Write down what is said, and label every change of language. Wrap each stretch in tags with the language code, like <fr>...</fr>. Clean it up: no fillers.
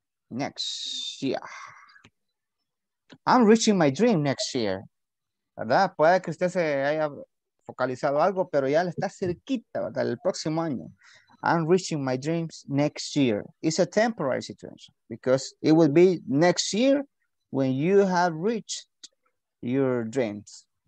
<en>Next year. I'm reaching my dream next year.</en> <es>¿Verdad? Puede que usted se haya focalizado algo, pero ya le está cerquita, ¿verdad? El próximo año.</es> <en>I'm reaching my dreams next year. It's a temporary situation because it will be next year when you have reached your dreams.</en>